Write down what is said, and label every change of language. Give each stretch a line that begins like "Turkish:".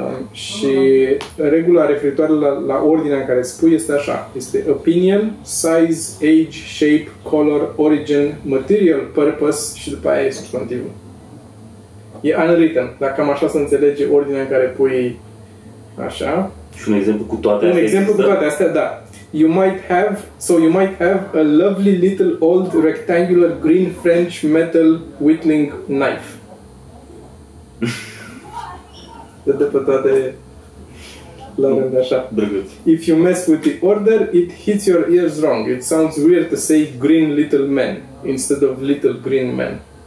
Romanian: Și regula referitoare la ordinea în care spui este așa. Este
English: opinion, size, age, shape, color, origin, material, purpose
Romanian: și după aia e substantivul. E unwritten. Dacă cam așa se înțelege ordinea în care pui așa. Și un exemplu cu toate astea. Un exemplu cu toate astea, da.
English: You might have a lovely little old rectangular green French metal whittling knife.
Romanian: Dă-te pe toate la rând așa. Drăguț.
English: If you mess with the order, it hits your ears wrong. It sounds weird to say green little man instead of little green man.